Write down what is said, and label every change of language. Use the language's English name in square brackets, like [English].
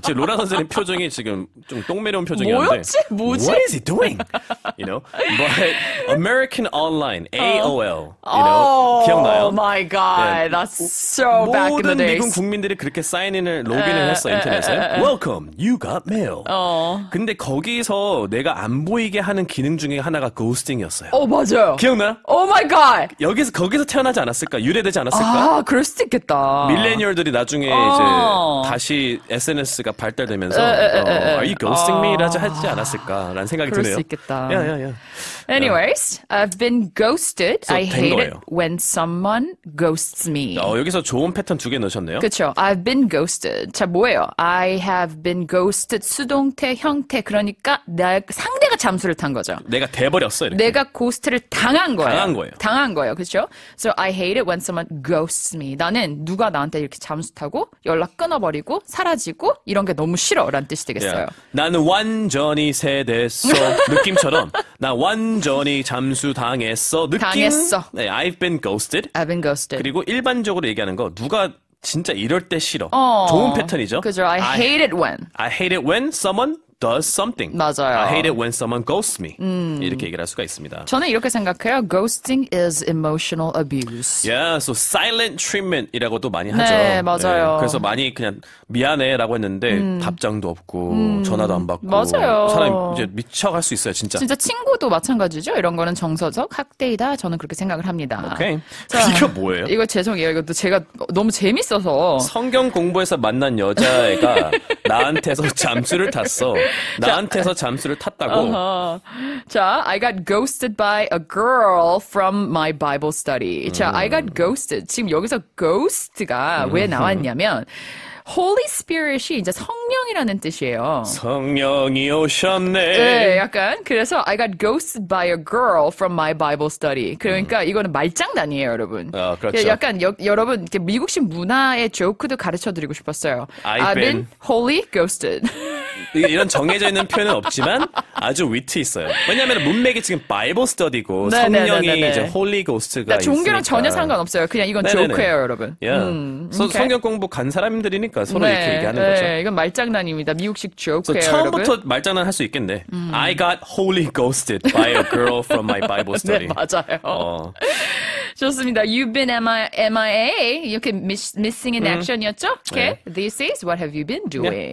[Korean] 지금 로라 선생님 표정이 지금 좀 똥매려운 표정이었는데 뭐였지? 뭐지? [English] What is he doing? You know? But American Online AOL you know? Oh, [Korean] 기억나요? [English] Oh my god. Yeah. That's so back in the days. [Korean] 모든 미국 국민들이 그렇게 사인인을 로그인을 했어 인터넷에. [English] Welcome. You got mail. [Korean] 근데 거기서 내가 안 보이게 하는 기능 중에 하나가 고스팅이었어요. 맞아요. 기억나요? [English] Oh my god. [Korean] 여기서 거기서 태어나지 않았을까? 유래되지 않았을까? 아, 그럴 수도 있겠다. 밀레니얼들이 나중에 이제 다시 SNS가 발달되면서 [English] Are you ghosting me? [Korean] 라고 하지 않았을까라는 생각이 그럴 그럴 수 있겠다. [English] Yeah, yeah, yeah. Anyways, yeah. I've been ghosted. So, I hate [Korean] 거예요. [English] it when someone ghosts me. [Korean] 여기서 좋은 패턴 두 개 넣으셨네요. [English] 그렇죠. I've been ghosted. [Korean] 자, 뭐예요? [English] I have been ghosted. [Korean] 수동태, 형태. 그러니까 상대가 잠수를 탄 거죠. 내가 돼버렸어, 이렇게. 내가 고스트를 당한 거예요. 당한 거예요. 당한 거예요, 그렇죠? [English] So I hate it when someone ghosts me. [Korean] 나는 누가 나한테 이렇게 잠수 타고 연락 끊어버리고 사라지고 이런 게 너무 싫어라는 뜻이 되겠어요. [English] Yeah. [Korean] 나는 완전히 새됐어 느낌처럼 나 완전히 잠수 당했어 느낌. 당했어. [English] 네, I've been ghosted. I've been ghosted. [Korean] 그리고 일반적으로 얘기하는 거 누가 진짜 이럴 때 싫어. 어, 좋은 패턴이죠. 그죠. [English] I hate it when. I hate it when someone does something. [Korean] 맞아요. [English] I hate it when someone ghosts me. [Korean] 이렇게 얘기를 할 수가 있습니다. 저는 이렇게 생각해요. [English] Ghosting is emotional abuse. Yeah, so silent treatment이라고도 [Korean] 많이 하죠. 네, 맞아요. 네, 그래서 많이 그냥 미안해라고 했는데 답장도 없고 전화도 안 받고 맞아요. 사람이 이제 미쳐갈 수 있어요, 진짜. 진짜 친구도 마찬가지죠. 이런 거는 정서적 학대이다. 저는 그렇게 생각을 합니다. 오케이. Okay. 이게 뭐예요? 이거 죄송해요. 이것도 제가 너무 재밌어서 성경 공부에서 만난 여자애가 나한테서 잠수를 탔어. 나한테서 잠수를 탔다고. Uh-huh. [English] 자, I got ghosted by a girl from my Bible study. 자, I got ghosted. [Korean] 지금 여기서 ghost가 왜 나왔냐면 Holy Spirit이 이제 성령이라는 뜻이에요. 성령이 오셨네. 네, 약간. [English] 그래서 I got ghosted by a girl from my Bible study. [Korean] 그러니까 이거는 말장난이에요, 여러분. 어, 그렇죠. 약간 여러분 이렇게 미국식 문화의 조크도 가르쳐드리고 싶었어요. [English] I've been holy ghosted. [Korean] 이런 정해져 있는 표현은 없지만 아주 위트 있어요. 왜냐하면 문맥이 지금 Bible study고 성령이 이제 holy ghost가 있으니까. 종교랑 전혀 상관없어요. 그냥 이건 네네네. 조크예요, 여러분. [English] Yeah. Okay. [Korean] 성경 공부 간 사람들이 니까 서로 네, 이렇게 얘기하는 네, 거죠. 이건 말장난입니다. 미국식 조크예요. 처음부터 여러분? 말장난 할 수 있겠네. [English] I got holy ghosted by a girl from my Bible study. [Korean] 네, 맞아요. 어. 좋습니다. [English] You've been MIA. 이렇게 missing in action이었죠? Okay. 네. This is what have you been doing? 네.